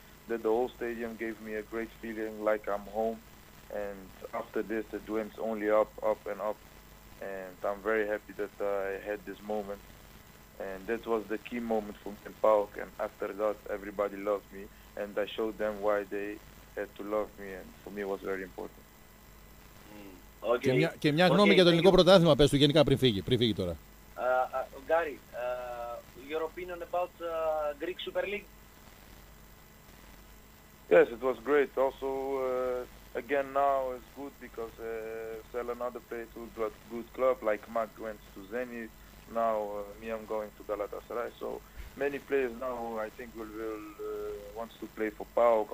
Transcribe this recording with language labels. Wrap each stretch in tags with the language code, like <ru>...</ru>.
<en>That the whole stadium gave me a great feeling, like I'm home. And after this, it went only up and up. And I'm very happy that I had this moment. And that was the key moment for me in PAOK, and after that everybody loved me, and I showed them why they had to love me, and for me it was very important. Okay.</en> <el>Και μια γνώμη για το ελληνικό πρωτάθλημα, πες του γενικά πριν φύγει τώρα.</el> <en>Gary, your opinion about Greek Super League? Yes, it was great. Also, again, now it's good because sell another place to a good club, like Mark went to Zenit. Now me, I'm going to Galatasaray. So many players now, I think, will wants to play for PAOK.</en>